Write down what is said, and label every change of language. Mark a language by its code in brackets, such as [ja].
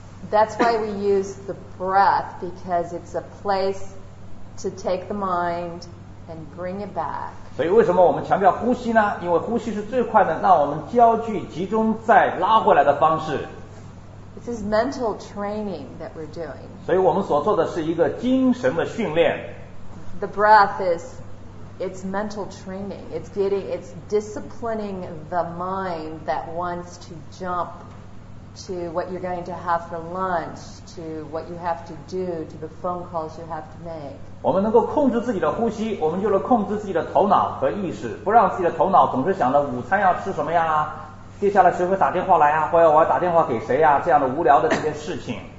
[en] That's why we use the breath, because it's a place to take the mind and bring it back. [zh] 所以为什么我们强调呼吸呢？因为呼吸是最快的让我们焦距集中在拉回来的方式。 [en] This is mental training that we're doing. [zh] 所以我们所做的是一个精神的训练。 [en] The breath is, it's mental training. It's getting, it's disciplining the mind that wants to jump to what you're going to have for lunch, to what you have to do, to the phone calls you have to make. [zh] 我们能够控制自己的呼吸，我们就能控制自己的头脑和意识，不让自己的头脑总是想着午餐要吃什么呀，接下来谁会打电话来呀，或者我要打电话给谁呀，这样的无聊的这些事情。